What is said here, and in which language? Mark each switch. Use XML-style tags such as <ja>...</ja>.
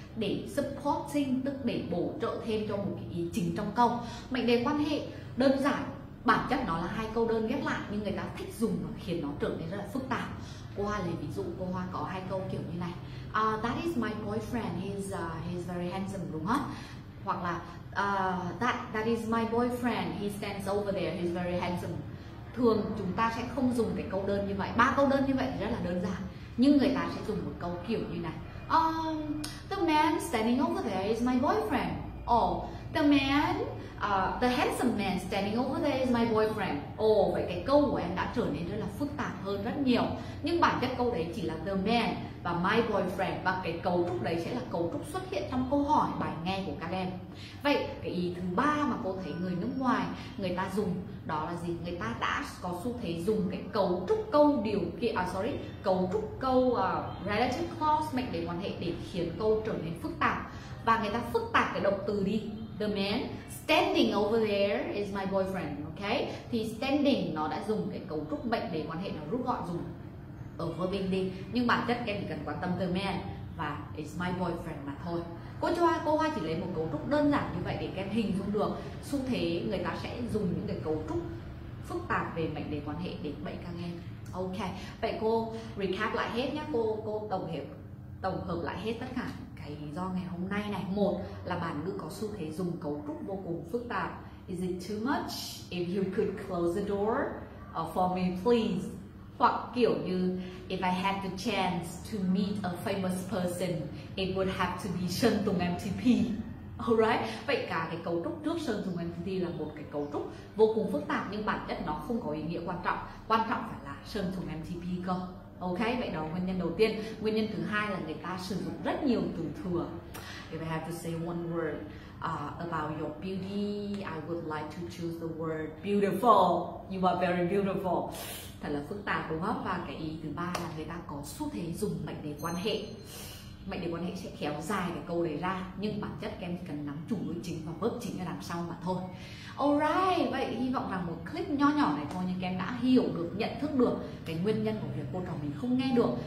<vi>Để supporting, tức để bổ trợ thêm cho một cái ý chính trong câu. Mệnh đề quan hệ đơn giản, bản chất nó là hai câu đơn ghép lại, nhưng người ta thích dùng và khiến nó trở nên rất là phức tạp. Cô Hoa lấy ví dụ, cô Hoa có hai câu kiểu như này:</vi> <en>that is my boyfriend, he's very handsome,</en> <vi>đúng không? Hoặc là</vi> <en>that is my boyfriend, he stands over there, he's very handsome.</en> <vi>Thường chúng ta sẽ không dùng cái câu đơn như vậy. Ba câu đơn như vậy thì rất là đơn giản, nhưng người ta sẽ dùng một câu kiểu như này:</vi> <en>the man standing over there is my boyfriend. Or the man, the handsome man standing over there is my boyfriend.</en> <vi>Vậy cái câu của em đã trở nên rất là phức tạp hơn rất nhiều. Nhưng bản chất câu đấy chỉ là</vi> <en>the man</en> <vi>và</vi> <en>my boyfriend,</en> <vi>và cái cấu trúc đấy sẽ là cấu trúc xuất hiện trong câu hỏi bài nghe của các em. Vậy cái ý thứ ba mà cô thấy người nước ngoài người ta dùng đó là gì? Người ta đã có xu thế dùng cái cấu trúc câu điều kiện, cấu trúc câu relative clause, mệnh đề quan hệ, để khiến câu trở nên phức tạp. Và người ta phức tạp cái động từ đi:</vi> <en>the man standing over there is my boyfriend.</en> <vi>Ok, thì standing nó đã dùng cái cấu trúc mệnh đề quan hệ, nó rút gọn dùng ở verbing đi, nhưng bản chất em chỉ cần quan tâm</vi> <en>the man</en> <vi>và</vi> <en>is my boyfriend</en> <vi>mà thôi. Cô Hoa chỉ lấy một cấu trúc đơn giản như vậy để các em hình dung được xu thế người ta sẽ dùng những cái cấu trúc phức tạp về mệnh đề quan hệ để bẫy các em. Ok, vậy cô recap lại hết nhé, cô tổng hợp lại hết tất cả cái lý do ngày hôm nay này. Một là bản ngữ có xu thế dùng cấu trúc vô cùng phức tạp.</vi> <en>Is it too much if you could close the door for me please?</en> <vi>Hoặc kiểu như</vi> <en>if I had the chance to meet a famous person, it would have to be Sơn Tùng MTP.</en> <vi>Alright, vậy cả cái cấu trúc trước Sơn Tùng MTP là một cái cấu trúc vô cùng phức tạp, nhưng bản chất nó không có ý nghĩa quan trọng. Quan trọng phải là Sơn Tùng MTP cơ. Ok, vậy đó nguyên nhân đầu tiên. Nguyên nhân thứ hai là người ta sử dụng rất nhiều từ thừa.</vi> <en>If I have to say one word about your beauty, I would like to choose the word beautiful. You are very beautiful.</en> <vi>Thật là phức tạp đúng không? Và cái ý thứ ba là người ta có xu thế dùng mệnh đề quan hệ. Mệnh đề quan hệ sẽ kéo dài cái câu đấy ra, nhưng bản chất em chỉ cần nắm chủ ngữ chính và verb chính ở đằng sau mà thôi. Alright, vậy hy vọng rằng một clip nhỏ nhỏ này thôi nhưng em đã hiểu được, nhận thức được cái nguyên nhân của việc cô trò mình không nghe được.</vi>